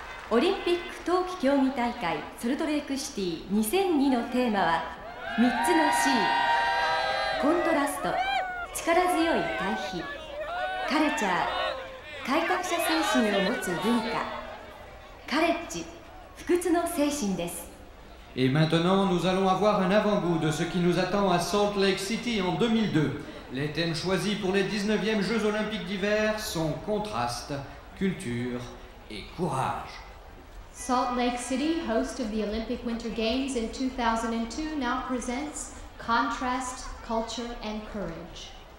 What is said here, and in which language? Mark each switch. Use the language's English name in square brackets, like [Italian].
[Japanese] オリンピック冬季競技大会ソルトレークシティ2002のテーマは3つの C、 コントラスト、力強い対比、カルチャー、改革者精神を持つ文化、カレッジ、不屈の精神です。 [French] Et maintenant, nous allons avoir un avant-goût de ce qui nous attend à Salt Lake City en 2002. Les thèmes choisis pour les 19e Jeux Olympiques d'hiver sont contraste, culture et courage. [English] Salt Lake City, host of the Olympic Winter Games in 2002, now presents contrast, culture and courage.